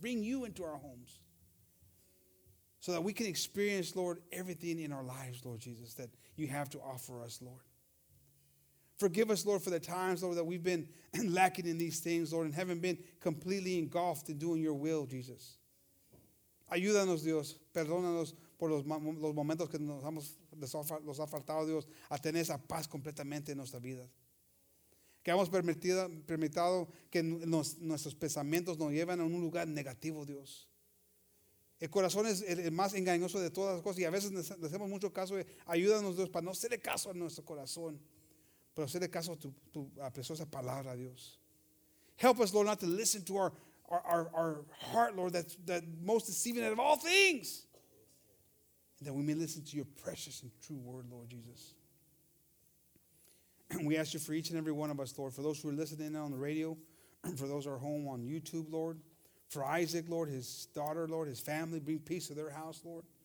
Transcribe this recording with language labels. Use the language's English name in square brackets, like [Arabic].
[English] Bring you into our homes so that we can experience, Lord, everything in our lives, Lord Jesus, that you have to offer us, Lord. Forgive us, Lord, for the times, Lord, that we've been lacking in these things, Lord, and haven't been completely engulfed in doing your will, Jesus. [Spanish] Ayúdanos, Dios. Perdónanos por los momentos que nos ha faltado, Dios, a tener esa paz completamente en nuestra vida. Que hemos permitido que nuestros pensamientos nos lleven a un lugar negativo, Dios. El corazón es el más engañoso de todas las cosas y a veces le hacemos mucho caso. Ayúdanos, Dios, para no hacerle caso a nuestro corazón, pero hacerle caso a tu preciosa palabra, Dios. [English] Help us, Lord, not to listen to our heart, Lord, that most deceiving out of all things. And that we may listen to your precious and true word, Lord Jesus. And we ask you for each and every one of us, Lord, for those who are listening on the radio, for those who are home on YouTube, Lord, for Isaac, Lord, his daughter, Lord, his family, bring peace to their house, Lord.